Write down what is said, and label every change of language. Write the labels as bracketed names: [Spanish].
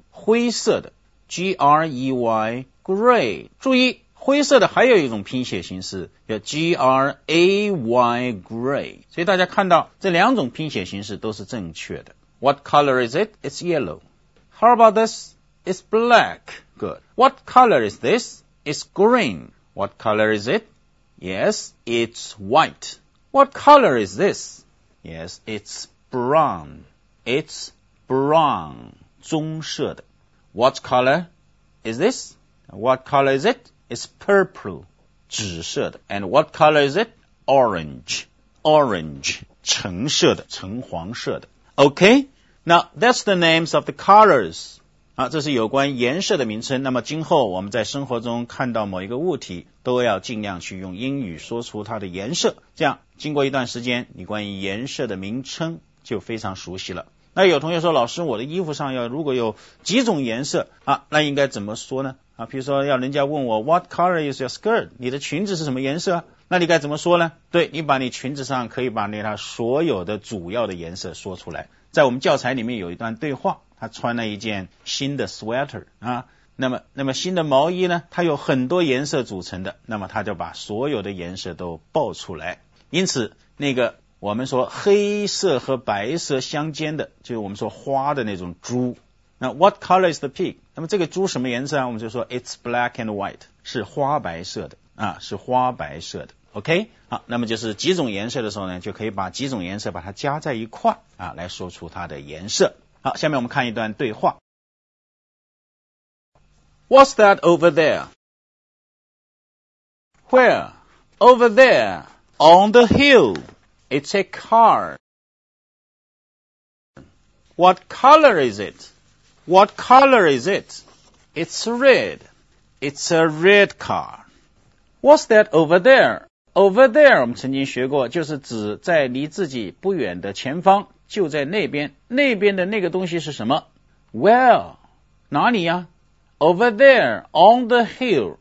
[Chinese] 灰色的 ,G-R-E-Y, gray. 注意灰色的还有一种拼写形式叫 G-R-A-Y gray 所以大家看到这两种拼写形式都是正确的 [English] What color is it? It's yellow How about this? It's black Good What color is this? It's green What color is it? Yes, it's white What color is this? Yes, it's brown It's brown [Chinese] 棕色的 [English] What color is this? What color is it? It's purple, [Chinese] 紫色的。 [English] And what color is it? Orange, orange, [Chinese] 橙色的,橙黄色的。 [English] Okay, now that's the names of the colors. [Chinese] 啊，这是有关颜色的名称。那么今后我们在生活中看到某一个物体，都要尽量去用英语说出它的颜色。这样，经过一段时间，你关于颜色的名称就非常熟悉了。那有同学说，老师，我的衣服上要如果有几种颜色啊，那应该怎么说呢？啊，比如说要人家问我 [English] What color is your skirt? [Chinese] 你的裙子是什么颜色？那你该怎么说呢？对，你把你裙子上可以把那它所有的主要的颜色说出来。在我们教材里面有一段对话，他穿了一件新的 sweater 啊，那么新的毛衣呢，它有很多颜色组成的，那么他就把所有的颜色都爆出来。因此那个。我们说黑色和白色相间的就是我们说花的那种珠那 [English] what color is the pig [Chinese] 那么这个珠什么颜色啊我们就说 [English] it's black and white [Chinese] 是花白色的啊，是花白色的 OK 好，那么就是几种颜色的时候呢就可以把几种颜色把它加在一块啊，来说出它的颜色好，下面我们看一段对话 [English] What's that over there? Where? Over there on the hillIt's a car. What color is it? What color is it? It's red. It's a red car. What's that over there? Over there, [Chinese] 我们曾经学过，就是指在离自己不远的前方，就在那边。那边的那个东西是什么？ [English] Well, [Chinese] 哪里呀 ？ [English] Over there, on the hill.